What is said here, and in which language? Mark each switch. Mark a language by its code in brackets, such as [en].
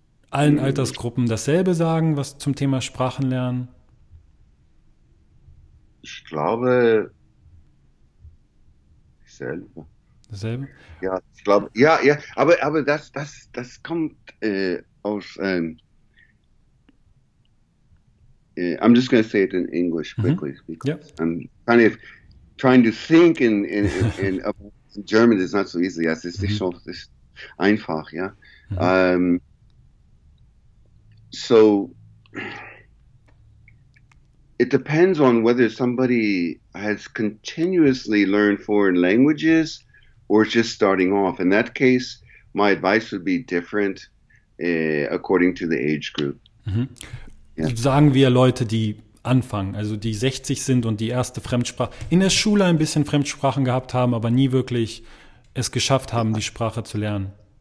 [de] allen Altersgruppen dasselbe sagen, was zum Thema Sprachenlernen? Ich glaube, ich selber. Dasselbe? Ja, ich glaube, ja, aber das kommt aus. [en] I'm just going to say it in English quickly because I'm kind of trying to think in German is not so easy. Yes, it's [de] nicht [en] so it's [de] einfach, ja. [en] Yeah? So it depends on whether somebody has continuously learned foreign languages or just starting off. In that case, my advice would be different according to the age group. [de] Sagen wir Leute, die anfangen, also die 60 sind und die erste Fremdsprache in der Schule ein bisschen Fremdsprachen gehabt haben, aber nie wirklich es geschafft haben, die Sprache zu lernen.